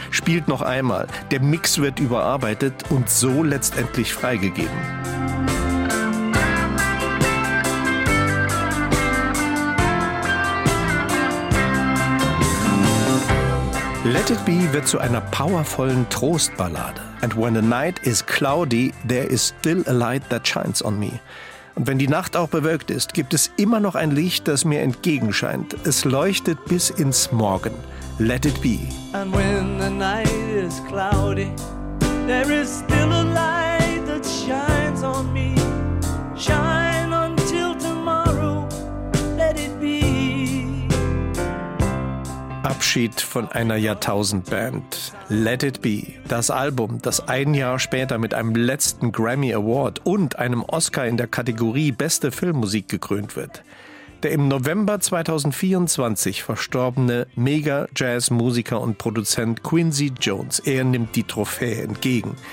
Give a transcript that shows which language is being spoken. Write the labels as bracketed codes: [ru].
[de] Spielt noch einmal, der Mix wird überarbeitet und so letztendlich freigegeben. Let It Be wird zu einer powervollen Trostballade. [en] And when the night is cloudy, there is still a light that shines on me. [de] Und wenn die Nacht auch bewölkt ist, gibt es immer noch ein Licht, das mir entgegenscheint. Es leuchtet bis ins Morgen. [en] Let It Be. And when the night is cloudy, there is still a light that shines on me. Shine until tomorrow, let it be. [de] Abschied von einer Jahrtausendband. Let It Be, das Album, das ein Jahr später mit einem letzten Grammy Award und einem Oscar in der Kategorie Beste Filmmusik gekrönt wird. Der im November 2024 verstorbene Mega-Jazz-Musiker und Produzent Quincy Jones, er nimmt die Trophäe entgegen.